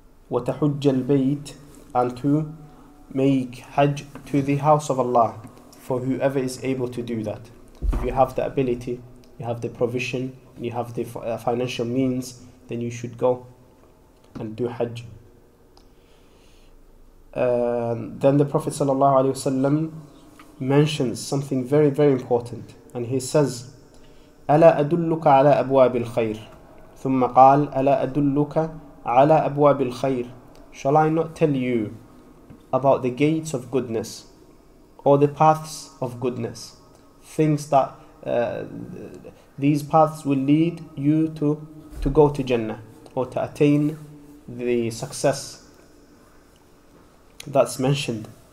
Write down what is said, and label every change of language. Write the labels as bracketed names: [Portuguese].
[Arabic] وَتَحُجَّ الْبَيْتِ, [English] and to make Hajj to the house of Allah, for whoever is able to do that. If you have the ability, you have the provision, you have the financial means, then you should go and do Hajj. Then the Prophet ﷺ mentions something very, very important, and he says, [Arabic] أَلَا أَدُلُّكَ عَلَىٰ أَبْوَابِ الْخَيْرِ ثُمَّ قَالَ أَلَا أَدُلُّكَ عَلَىٰ أَبْوَابِ الْخَيْرِ. [English] Shall I not tell you about the gates of goodness or the paths of goodness? Things that these paths will lead you to go to Jannah or to attain the success that's mentioned.